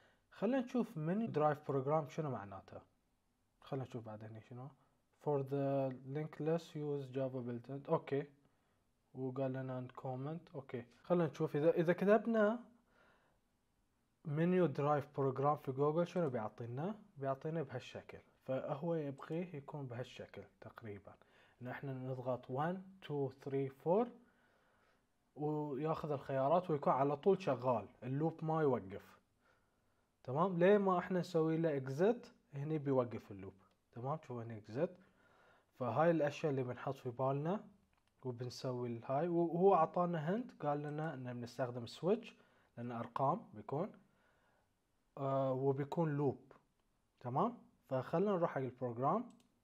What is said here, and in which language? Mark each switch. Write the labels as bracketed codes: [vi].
[ar] خلينا نشوف [en] menu drive program [ar] شنو معناته. خلينا نشوف بعدين شنو. [en] For the linked list use java built in. [ar] اوكي. وقال لنا [en] and comment. [ar] اوكي. خلينا نشوف اذا كتبنا [en] menu drive program [ar] في جوجل شنو بيعطينا. بيعطينا بهالشكل. فهو يبغي يكون بهالشكل تقريبا. نحن نضغط 1 2 3 4 وياخذ الخيارات ويكون على طول شغال اللوب ما يوقف تمام ليه ما احنا نسوي له اكزت هنا بيوقف اللوب تمام شوف هنا اكزت فهاي الاشياء اللي بنحط في بالنا وبنسوي الهاي وهو اعطانا هنت قال لنا ان بنستخدم سويتش لان ارقام بيكون وبيكون لوب تمام فخلنا نروح حق البروجرام